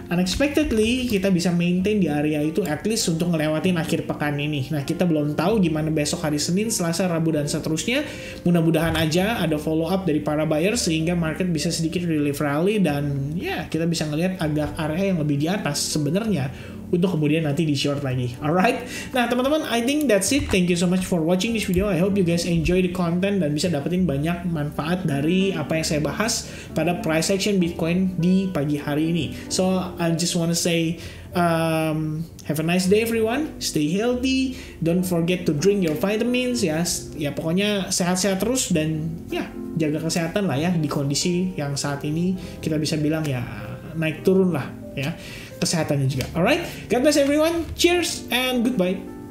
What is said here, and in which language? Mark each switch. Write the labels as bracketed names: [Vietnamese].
[Indonesian] Unexpectedly, kita bisa maintain di area itu at least untuk ngelewatin akhir pekan ini. Nah, kita belum tahu gimana besok hari Senin, Selasa, Rabu, dan seterusnya. Mudah-mudahan aja ada follow up dari para buyer sehingga market bisa sedikit relief rally, dan ya, kita bisa ngelihat agak area yang lebih di atas sebenarnya untuk kemudian nanti di short lagi. Alright? [English] Nah, teman-teman, I think that's it. Thank you so much for watching this video. I hope you guys enjoy the content [Indonesian] dan bisa dapetin banyak manfaat dari apa yang saya bahas pada price action Bitcoin di pagi hari ini. [English] So, I just want to say have a nice day everyone. Stay healthy. Don't forget to drink your vitamins ya. [Indonesian] Ya pokoknya sehat-sehat terus dan ya jaga kesehatan lah ya di kondisi yang saat ini kita bisa bilang ya naik turun lah ya kesehatannya juga. [English] Alright, God bless everyone. Cheers and goodbye.